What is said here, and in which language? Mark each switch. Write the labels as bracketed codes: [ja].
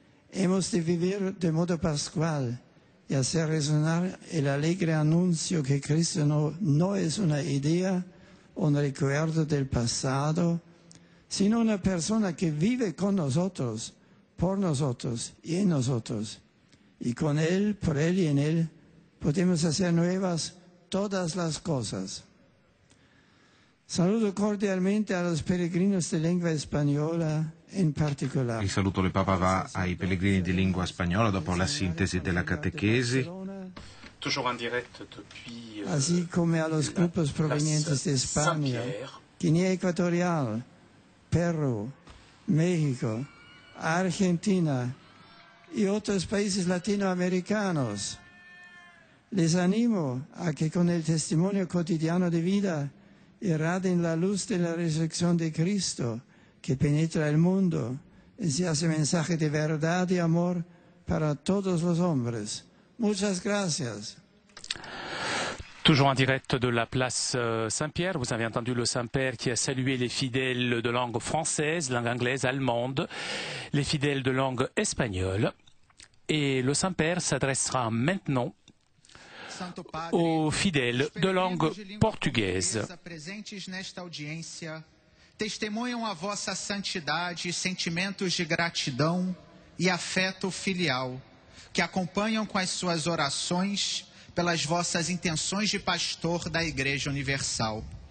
[es] Hemos de vivir de modo pascual y hacer resonar el alegre anuncio que Cristo no es una idea, un recuerdo del pasado, sino una persona que vive con nosotros, por nosotros y en nosotros. Y con Él, por Él y en Él, podemos hacer nuevas todas las cosas. Saludo cordialmente a los peregrinos de lengua española en particolar. [it] Il saluto del Papa va ai pellegrini di lingua spagnola dopo la sintesi della catechesi. [fr] Toujours en direct depuis. [es] Así como a los grupos provenientes de España, Guinea Ecuatorial, Perú, México, Argentina y otros países latinoamericanos. Les animo a que con el testimonio cotidiano de vida irradien la luz de la resurrección de Cristo que penetra el mundo y se hace mensaje de verdad y amor para todos los hombres. Muchas gracias. [fr] Toujours en direct de la place Saint-Pierre, vous avez entendu le Saint-Père qui a salué les fidèles de langue française, langue anglaise, allemande, les fidèles de langue espagnole. Et le Saint-Père s'adressera maintenant aux fidèles de langue portugaise. [pt] Présentes nesta audiência, testemunham a vossa santidade, sentimentos de gratidão e afeto filial, que acompanham com as suas orações pelas vossas intenções de pastor da Igreja Universal.